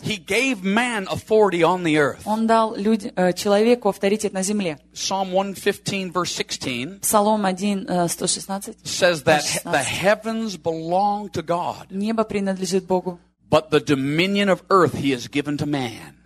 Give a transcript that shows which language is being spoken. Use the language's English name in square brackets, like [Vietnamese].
[English] He gave man authority on the earth. [Russian] Он дал человеку авторитет на земле. [English] Psalm 115 verse 16. [Russian] Псалом 116. [English] Says that the heavens belong to God. [Russian] Небо принадлежит Богу. [English] But the dominion of earth he has given to man.